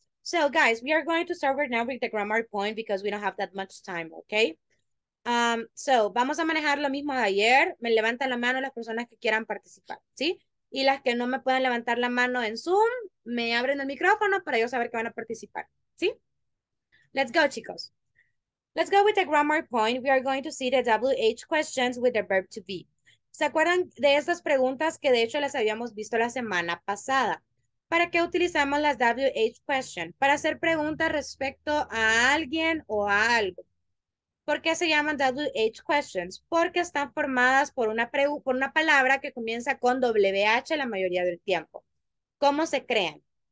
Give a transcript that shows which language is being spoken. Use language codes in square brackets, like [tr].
[en] So guys, we are going to start right now with the grammar point because we don't have that much time, okay? [es] So vamos a manejar lo mismo de ayer. Me levantan la mano las personas que quieran participar, ¿sí? Y las que no me pueden levantar la mano en Zoom, me abren el micrófono para yo saber que van a participar, ¿sí? [en] Let's go, chicos. Let's go with the grammar point. We are going to see the WH questions with the verb to be. [es] ¿Se acuerdan de estas preguntas que de hecho las habíamos visto la semana pasada? ¿Para qué utilizamos las WH questions? Para hacer preguntas respecto a alguien o a algo. ¿Por qué se llaman WH questions? Porque están formadas por una palabra que comienza con WH la mayoría del tiempo. ¿Cómo se crean?